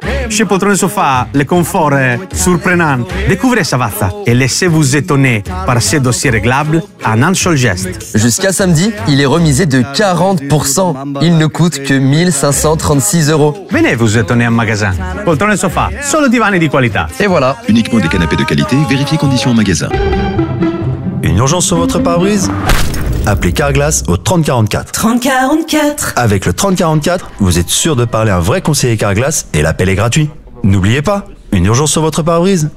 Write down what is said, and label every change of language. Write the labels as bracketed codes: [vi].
[fr] Chez Poltrone Sofa, le confort est surprenant. Découvrez sa vaza et laissez-vous étonner par ses dossiers réglables en un seul geste. Jusqu'à samedi, il est remisé de 40%. Il ne coûte que 1 536 €. Venez vous étonner en magasin. [it] Poltrone Sofa, solo divani di qualità. [fr] Et voilà. Uniquement des canapés de qualité, vérifiez conditions en magasin. Une urgence sur votre pare-brise ? Appelez Carglass au 3044. 3044. Avec le 3044, vous êtes sûr de parler à un vrai conseiller Carglass et l'appel est gratuit. N'oubliez pas, une urgence sur votre pare-brise.